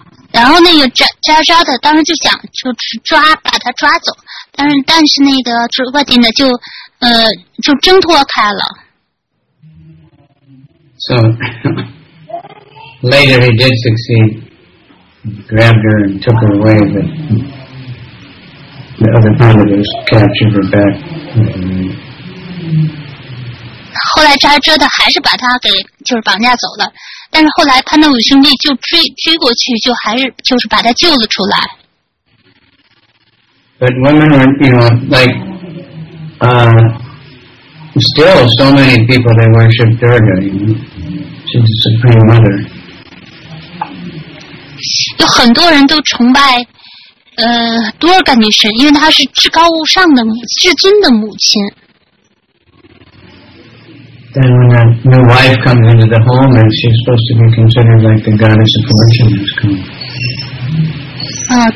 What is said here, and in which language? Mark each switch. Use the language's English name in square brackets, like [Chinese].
[Chinese] 然后那个扎扎的当时就想就抓把他抓走，但是那个 Draupadi 呢就挣脱开了。 [English] So later he did succeed, grabbed her and took her away, but the other Pandavas captured her back. [Chinese] 后来扎遮的还是把他给就是绑架走了，但是后来潘德五兄弟就追过去，就还是就是把他救了出来。 [English] But women were, you know, like, still so many people they worship Durga, you know, she's the Supreme Mother. [Chinese] 有很多人都崇拜多尔干女神，因为她是至高无上的至尊的母亲。 [English] Then when a new wife comes into the home and she's supposed to be considered like the goddess of fortune has come.